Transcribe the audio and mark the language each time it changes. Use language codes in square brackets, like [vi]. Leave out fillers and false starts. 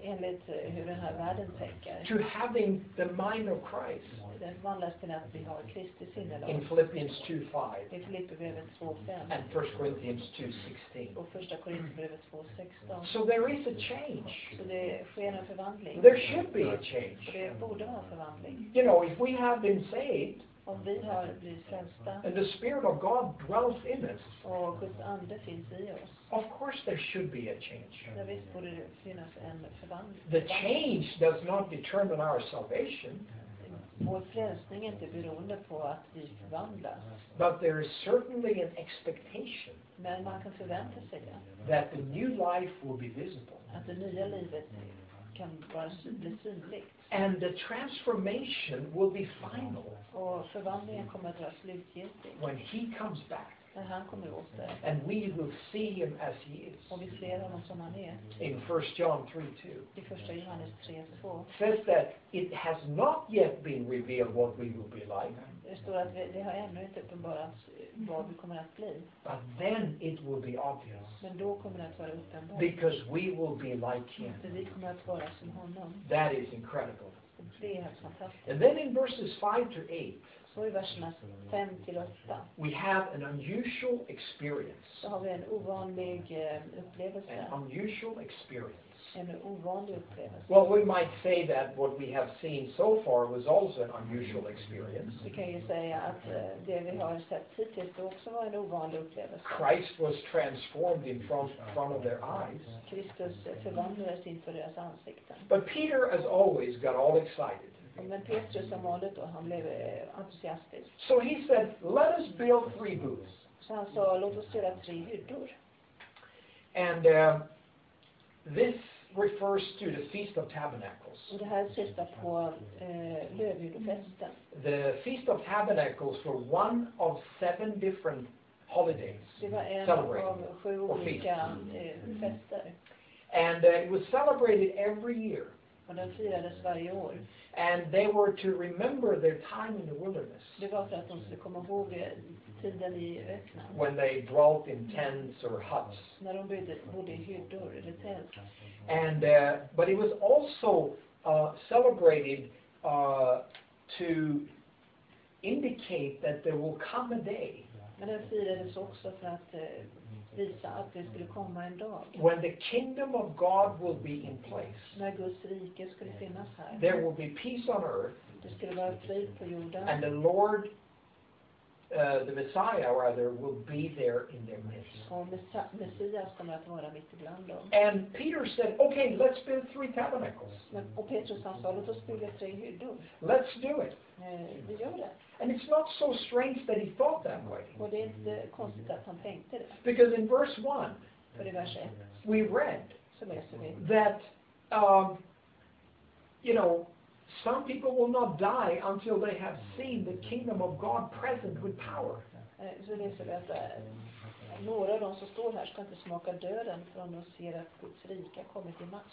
[sv] Enligt hur den här världen tänker. [en] To having the mind of Christ. [sv] Det förvandlas till att vi har Kristi sinnelag. [en] In Philippians 2:5. [sv] I Filipperbrevet 2:5. [en] And 1 Corinthians 2:16. [sv] Och första Korinthierbrevet 2:16. [en] So there is a change. [sv] Så det sker en förvandling. [en] There should be a change. [sv] Det borde vara en förvandling. [en] You know, if we have been saved. [sv] Om vi har blivit frälsta. [en] And the spirit of God dwells in us. [sv] Och Guds ande finns i oss. [en] Of course there should be a change. [sv] Ja, visst borde det finnas en förvandling. [en] The change does not determine our salvation. [sv] Vår frälsning är inte beroende på att vi förvandlas. [en] But there is certainly an expectation. [sv] Men man kan förvänta sig det. [en] That the new life will be visible. [sv] Att det nya livet kan vara synligt. [en] And the transformation will be final. [sv] Och förvandlingen kommer att vara slutgiltig. [en] When he comes back. [sv] När han kommer åter. [en] And we will see him as he is. [sv] Och vi ser honom som han är. [en] In 1 John 3:2. [sv] I första Johannes 3:2. [en] Says that it has not yet been revealed what we will be like. [sv] Det står att det har ännu inte uppenbarats vad vi kommer att bli. [en] But then it will be obvious. [sv] Men då kommer det att vara uppenbart. [en] Because we will be like him. [sv] För vi kommer att vara som honom. [en] That is incredible. [sv] Det är fantastiskt. [en] And then in verses 5 to 8. [sv] Så i verserna 5 till 8. [en] We have an unusual experience. [sv] Då har vi en ovanlig upplevelse. [en] An unusual experience. [sv] En ovanlig upplevelse. [en] Well, we might say that what we have seen so far was also an unusual experience. [sv] Vi kan ju säga att det vi har sett hittills det också var en ovanlig upplevelse. [en] Christ was transformed in front of their eyes. [sv] Kristus förvandlades inför deras ansikten. [en] But Peter, as always, got all excited. [sv] Men Petrus som vanligt och han blev entusiastisk. [en] So he said, "Let us build 3 booths." [sv] Så han sa, låt oss göra 3 hyddor. [en] And this refers to the Feast of Tabernacles. [sv] Och det här syftar på lövhyddofesten. [en] The Feast of Tabernacles were one of 7 different holidays. [sv] Det var en av 7 olika fester. [en] And it was celebrated every year. [sv] Och den firades varje år. [en] And they were to remember their time in the wilderness. [sv] Det var för att de skulle komma ihåg tiden i öknen. [en] When they dwelt in tents or huts. [sv] När de bodde i hyddor eller tält. [en] And but it was also celebrated to indicate that there will come a day. [sv] Men den firades också för att visa att det skulle komma en dag. [en] When the kingdom of God will be in place. [sv] När Guds rike skulle finnas här. [en] There will be peace on earth. [sv] Det skulle vara fred på jorden. [en] And the Lord, the Messiah rather, will be there in their midst. [sv] Och Messias kommer att vara mitt ibland dem. [en] And Peter said, okay, let's build 3 tabernacles. [sv] Och Petrus sa, låt oss bygga 3 hyddor. [en] Let's do it. [sv] Vi gör det. [en] And it's not so strange that he thought that way. [sv] Och det är inte konstigt att han tänkte det. [en] Because in verse 1, [sv] för i vers 1, [en] we read [sv] så läser vi [en] that, you know, some people will not die until they have seen the kingdom of God present with power. [sv] Så läser vi att några av dem som står här ska inte smaka döden förrän de ser att Guds rike har kommit i makt.